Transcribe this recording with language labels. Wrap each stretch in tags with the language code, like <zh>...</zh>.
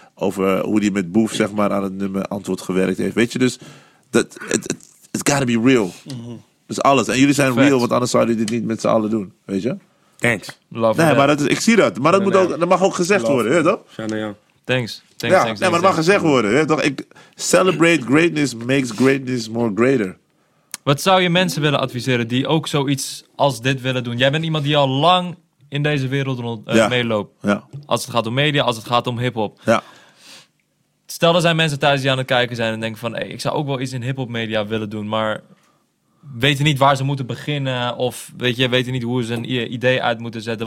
<nl>Over hoe hij met Boef, zeg maar, aan het nummer antwoord gewerkt heeft. Weet je, dus</nl> <en>It's gotta be real.</en> <nl>Mm-hmm. Dat is alles. En jullie zijn Facts. Real, want anders zouden jullie dit niet met z'n allen doen. Weet je?</nl> <en>Thanks.</en> <nl>Love nee, maar dat is, ik zie dat. Maar dat, moet ook, dat mag ook gezegd Love worden, weet je toch?</nl> <en>Thanks.</en> <nl>Ja,</nl> <en>thanks,</en> <nl>nee, maar dat mag gezegd worden, weet je toch?</nl> <en>Celebrate greatness makes greatness more greater.</en> <nl>Wat zou je mensen willen adviseren die ook zoiets als dit willen doen? Jij bent iemand die al lang in deze wereld meeloopt. Ja. Als het gaat om media, als het gaat om hip-hop. Ja. Stel, er zijn mensen thuis die aan het kijken zijn en denken van, hey, ik zou ook wel iets in hip-hop media willen doen, maar weten niet waar ze moeten beginnen of weet je, weten niet hoe ze een idee uit moeten zetten.</nl>